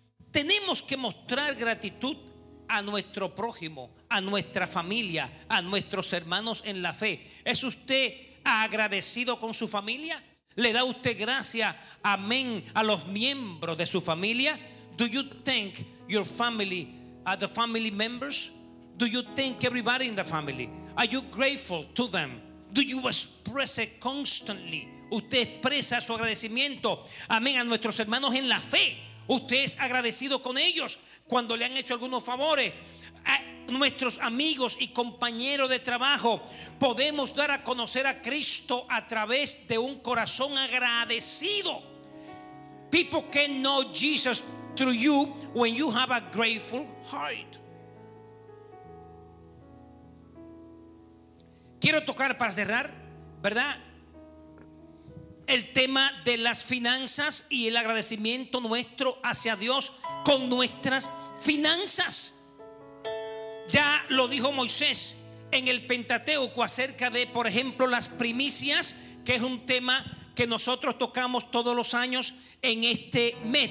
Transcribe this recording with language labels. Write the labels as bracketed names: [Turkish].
[Spanish] Tenemos que mostrar gratitud a nuestro prójimo, a nuestra familia, a nuestros hermanos en la fe. ¿Es usted agradecido con su familia? ¿Le da usted gracia, amén, a los miembros de su familia? [English] Do you thank your family, the family members? Do you thank everybody in the family? Are you grateful to them? Do you express it constantly? [Spanish] ¿Usted expresa su agradecimiento, amén, a nuestros hermanos en la fe? usted es agradecido con ellos cuando le han hecho algunos favores. A nuestros amigos y compañeros de trabajo, podemos dar a conocer a Cristo a través de un corazón agradecido. [English] People can know Jesus through you when you have a grateful heart. [Spanish] Quiero tocar para cerrar, ¿verdad?, el tema de las finanzas y el agradecimiento nuestro hacia Dios con nuestras finanzas. Ya lo dijo Moisés en el Pentateuco acerca de, por ejemplo, las primicias, que es un tema que nosotros tocamos todos los años en este mes.